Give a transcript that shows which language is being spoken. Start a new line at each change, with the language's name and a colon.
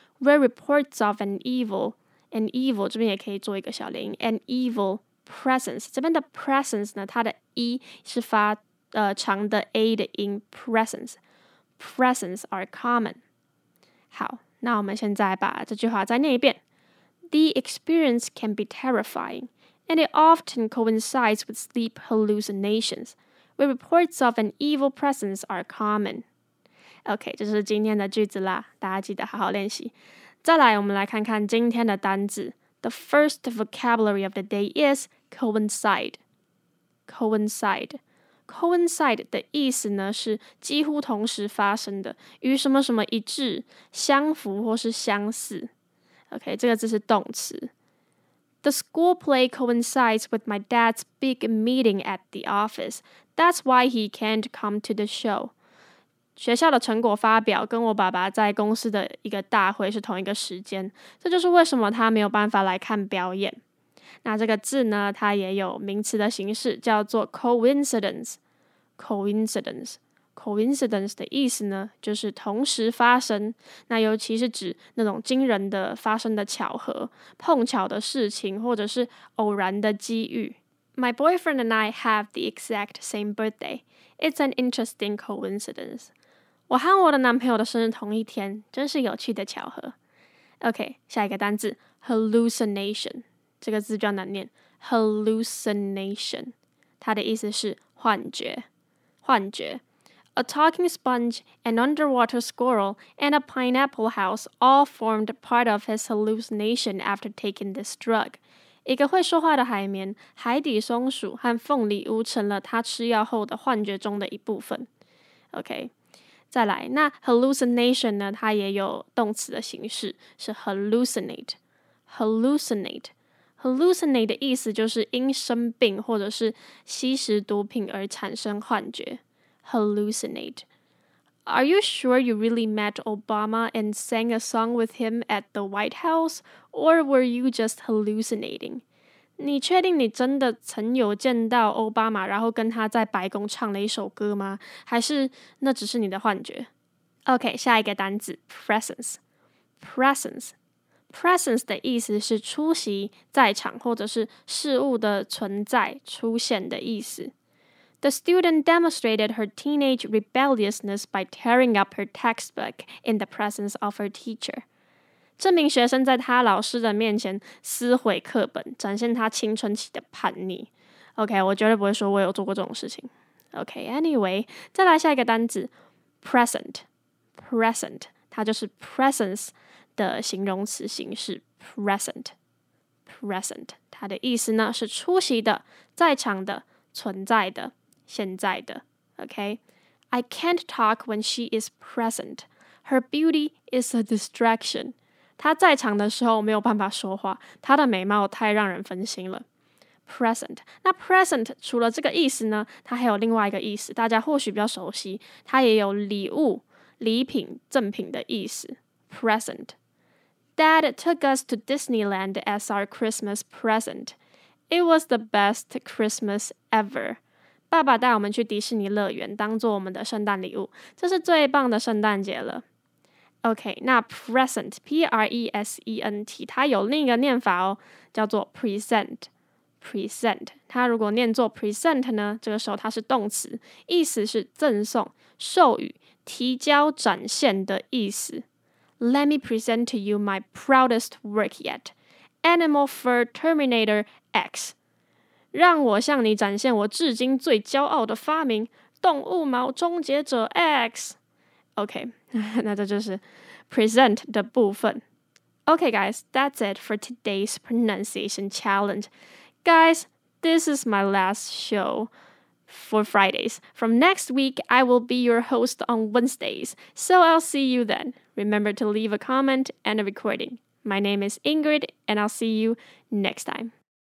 English: where reports of an evil,
Chinese: 这边也可以做一个小连音
English: an evil presence,
Chinese: 这边的 presence 呢它的 e 是发长的 a 的音 presence
English: are common.
Chinese: 好那我们现在把这句话再念一遍
English: The experience can be terrifying,And it often coincides with sleep hallucinations, where reports of an evil presence are common.
Chinese: Okay, 这是今天的句子啦，大家记得好好练习。再来，我们来看看今天的单字。
English: The first vocabulary of the day is coincide.
Chinese: Coincide. coincide 的意思呢是几乎同时发生的，与什么什么一致、相符或是相似。 OK， 这个字是动词。
English: The school play coincides with my dad's big meeting at the office. That's why he can't come to the show.
Chinese: 学校的成果发表跟我爸爸在公司的一个大会是同一个时间，这就是为什么他没有办法来看表演。那这个字呢，它也有名词的形式，叫做 coincidence。 coincidence coincidence 的意思呢就是同时发生，那尤其是指那种惊人的发生的巧合、碰巧的事情或者是偶然的机遇。
English: My boyfriend and I have the exact same birthday. It's an interesting coincidence.
Chinese: 我和我的男朋友的生日同一天，真是有趣的巧合。 OK， 下一个单字 hallucination，这个字就要难念 hallucination， 它的意思是幻觉。
English: 幻觉 A talking sponge, an underwater squirrel, and a pineapple house all formed part of his hallucination after taking this drug.
Chinese: 一个会说话的海绵、海底松鼠和凤梨屋成了他吃药后的幻觉中的一部分。 OK， 再来，那 hallucination 呢，它也有动词的形式，是 hallucinate。 hallucinateHallucinate 的意思就是因生病或者是吸食毒品而产生幻觉。Hallucinate.
English: Are you sure you really met Obama and sang a song with him at the White House? Or were you just hallucinating?
Chinese: 你确定你真的曾有见到奥巴马，然后跟他在白宫唱了一首歌吗？还是那只是你的幻觉？OK， 下一个单字 presence. Presence. Presence 的意思是出席、在场或者是事物的存在、出现的意思。
English: The student demonstrated her teenage rebelliousness by tearing up her textbook in the presence of her teacher.
Chinese: 这名学生在他老师的面前撕毁课本，展现他青春期的叛逆。 OK， 我绝对不会说我有做过这种事情。 OK， anyway， 再来下一个单字 present。 Present 它就是 presence的形容词形式 present。 present 它的意思呢是出席的、在场的、存在的、现在的。
English: OK， I can't talk when she is present. Her beauty is a distraction.
Chinese: 她在场的时候没有办法说话，她的美貌太让人分心了。 present， 那 present 除了这个意思呢，它还有另外一个意思大家或许比较熟悉，它也有礼物、礼品、赠品的意思。
English: presentDad took us to Disneyland as our Christmas present. It was the best Christmas ever.
Chinese: 爸爸带我们去迪士尼乐园当做我们的圣诞礼物，这是最棒的圣诞节了。 OK， 那 present P-R-E-S-E-N-T 它有另一个念法哦，叫做 present。 present 它如果念作 present 呢，这个时候它是动词，意思是赠送、授予、提交、展现的意思。
English: Let me present to you my proudest work yet. Animal Fur Terminator X.
Chinese: 让我向你展现我至今最骄傲的发明，动物毛终结者 X. OK, 那这就是 present 的部分。
English: OK guys, that's it for today's pronunciation challenge. Guys, this is my last show. For Fridays. From next week, I will be your host on Wednesdays. So I'll see you then. Remember to leave a comment and a recording. My name is Ingrid, and I'll see you next time.